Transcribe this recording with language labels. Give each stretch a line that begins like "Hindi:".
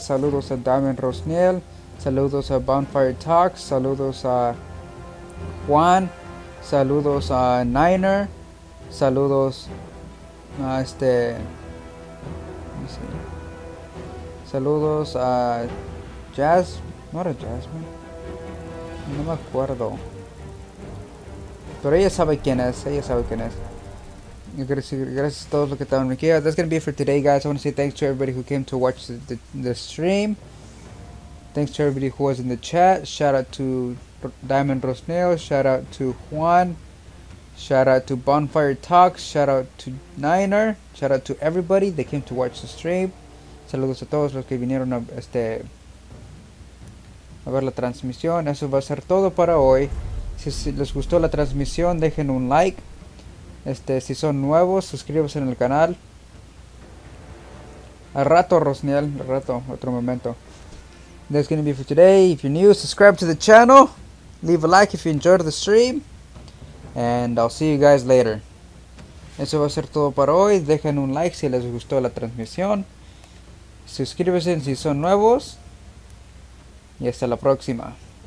Spanish: Saludos a Damian Rosniel, saludos a Bonfire Talks, saludos a Juan, saludos a Niner, saludos a este, saludos a Jazz, no era Jasmine, no me acuerdo. Pero ella sabe quién es, ella sabe quién es. Gracias a todos los que estaban aquí.
English: That's gonna be it for today, guys. I want to say thanks to everybody who came to watch the stream. Thanks to everybody who was in the chat. Shout out to Diamond Rosneo. Shout out to Juan. Shout out to Bonfire Talks. Shout out to Niner. Shout out to everybody that came to watch the stream.
Spanish: Saludos a todos los que vinieron a ver la transmisión. Eso va a ser todo para hoy. Si les gustó la transmisión, dejen un like. Si son nuevos, suscríbanse en el canal. Al rato, Rosniel. Al rato, otro momento.
English: That's gonna be for today. If you're new, subscribe to the channel. Leave a like if you enjoyed the stream. And I'll see you guys later.
Spanish: Eso va a ser todo para hoy. Dejen un like si les gustó la transmisión. Suscríbanse si son nuevos. Y hasta la próxima.